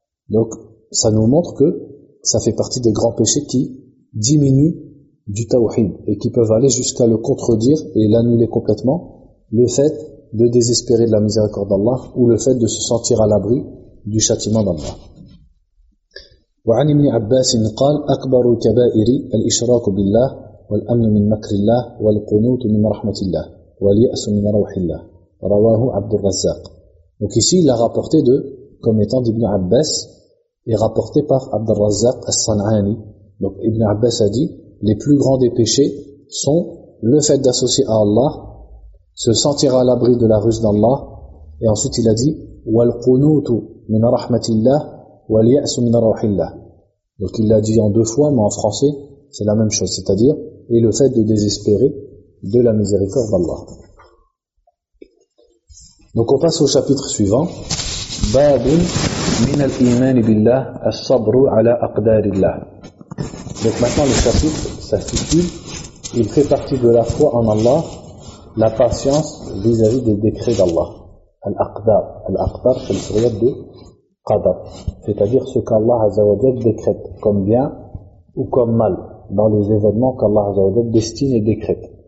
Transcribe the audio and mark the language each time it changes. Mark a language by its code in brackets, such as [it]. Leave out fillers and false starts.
[fr] Donc, ça nous montre que ça fait partie des grands péchés qui diminuent du tawhid et qui peuvent aller jusqu'à le contredire et l'annuler complètement, le fait de désespérer de la miséricorde d'Allah ou le fait de se sentir à l'abri du châtiment d'Allah. [ar] وعن ابن عباس قال أكبر الكبائر الإشراك بالله والأمن من مكر الله والقنوت من رحمة الله واليأس من روح الله رواه عبد الرزاق. [fr] Donc ici il l'a rapporté de comme étant d'Ibn Abbas et rapporté par Abd al-Razzaq al-San'ani. Donc Ibn Abbas a dit, les plus grands des péchés sont le fait d'associer à Allah, se sentir à l'abri de la ruse d'Allah, et ensuite il a dit [ar] wal-qunutu min rahmatillah wal-ya'su min rawhillah. [fr] Donc il l'a dit en deux fois, mais en français c'est la même chose, c'est-à-dire et le fait de désespérer de la miséricorde d'Allah. Donc on passe au chapitre suivant. [ar] باب من الإيمان بالله الصبر على أقدار الله. [fr] Donc maintenant le chapitre s'intitule, il fait partie de la foi en Allah, la patience vis-à-vis des décrets d'Allah. Al-Aqdar, al-Aqdar c'est le surat de Qadar, c'est-à-dire ce qu'Allah Azza wa Jalla décrète comme bien ou comme mal dans les événements qu'Allah Azza wa Jalla destine et décrète.